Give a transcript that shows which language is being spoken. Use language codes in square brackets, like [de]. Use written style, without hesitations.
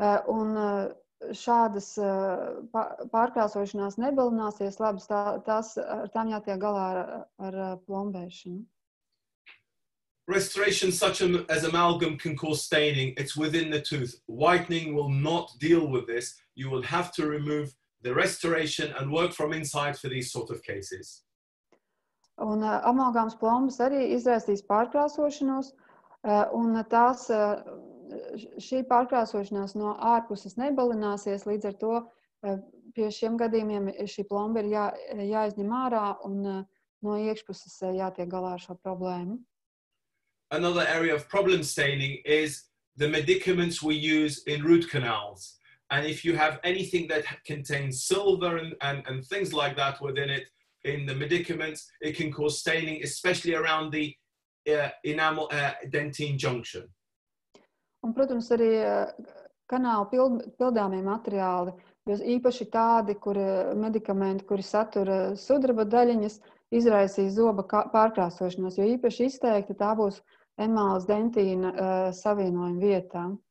[lv] Un šādas pārkrāsošanās nebalināsies labas, tās tam jātiek galā ar, ar plombēšanu. [en] Restoration such as amalgam can cause staining. It's within the tooth. Whitening will not deal with this. You will have to remove the restoration and work from inside for these sort of cases. [lv] Un amalgams plombas arī izraisīs pārkrāsošanos, un tās šī pārkrāsošanās no ārpuses nebalināsies, līdz ar to pie šiem gadījumiem šī plomba ir jāizņem ārā un no iekšpuses jātiek galā ar šo problēmu. [en] Another area of problem staining is the medicaments we use in root canals. And if you have anything that contains silver and things like that within it, in the medicaments, it can cause staining, especially around the enamel dentine junction. [lv] Un, protams, arī kanāla pildāmie materiāli, jo īpaši tādi, kur medikamenti, kuri satura sudraba daļiņas, izraisīs zoba pārkrāsošanos, jo īpaši izteikti tā būs emāls dentīna savienojuma vietā.